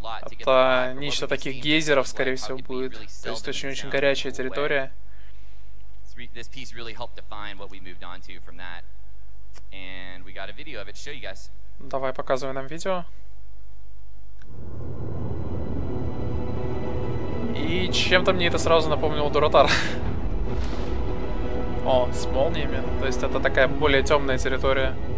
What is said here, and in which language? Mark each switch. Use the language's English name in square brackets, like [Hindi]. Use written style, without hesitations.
[Russian] Это нечто таких гейзеров, скорее всего, будет. То есть очень-очень горячая территория. [English] this piece really helped define what we moved on to from that. And we got a video of it to show you guys. [Russian] Давай показывай нам видео. И чем-то мне это сразу напомнило Дуратар. О, с молниями. То есть это такая более темная территория.